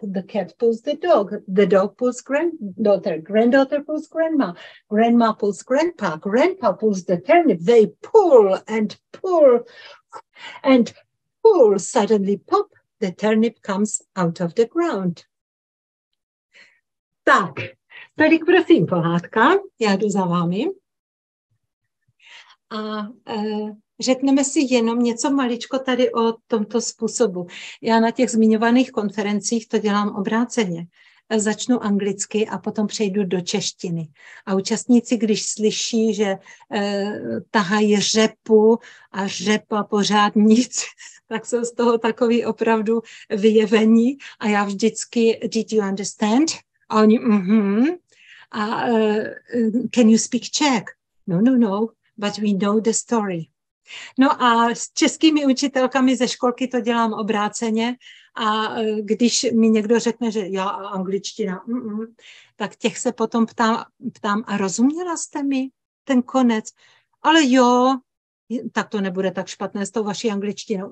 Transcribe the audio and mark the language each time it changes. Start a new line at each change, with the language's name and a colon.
English: The cat pulls the dog. The dog pulls granddaughter. Granddaughter pulls grandma. Grandma pulls grandpa. Grandpa pulls the turnip. They pull and pull and pull. Suddenly, pop, the turnip comes out of the ground.
Czech: Tak, tady prosím pohádka. Já jdu za vámi. A řekneme si jenom něco maličko tady o tomto způsobu. Já na těch zmiňovaných konferencích to dělám obráceně. Začnu anglicky a potom přejdu do češtiny. A účastníci, když slyší, že tahají řepu a řepa pořád nic, tak jsou z toho takový opravdu vyjevení. A já vždycky,
English: did you understand?
Czech: A oni, mhm.
English: A can you speak Czech? No, no, no, but we know the story.
Czech: No a s českými učitelkami ze školky to dělám obráceně a když mi někdo řekne, že já angličtina, tak těch se potom ptám, a rozuměla jste mi ten konec? Ale jo, tak to nebude tak špatné s tou vaší angličtinou.